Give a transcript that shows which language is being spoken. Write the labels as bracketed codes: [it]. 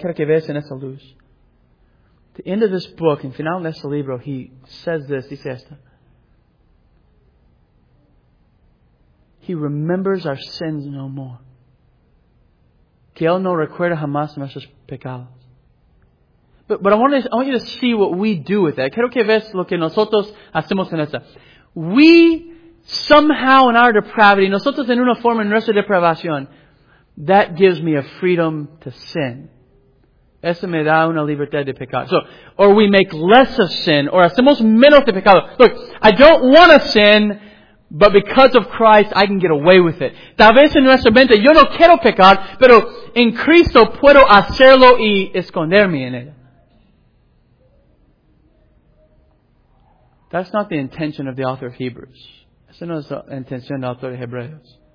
[es] Quiero que veas en esa luz. [en] The end of this book, [es] en final de este libro, [en] he says this, [es] dice esto. [en] He remembers our sins no more. [es] Que Él no recuerda jamás nuestros pecados. [en] But I want you to see what we do with that. [es] Quiero que veas lo que nosotros hacemos en esta. [en] We, somehow in our depravity, [es] nosotros en una forma en nuestra depravación, [en] that gives me a freedom to sin. [es] Eso me da una libertad de pecar. [en] So, or we make less of sin, or [es] hacemos menos de pecado. [en] Look, I don't want to sin, but because of Christ, I can get away with it. [es] Tal vez en nuestra mente, yo no quiero pecar, pero en Cristo puedo hacerlo y esconderme en él. [en] That's not the intention of the author of Hebrews. [es] Esa no es la intención del autor de Hebreos.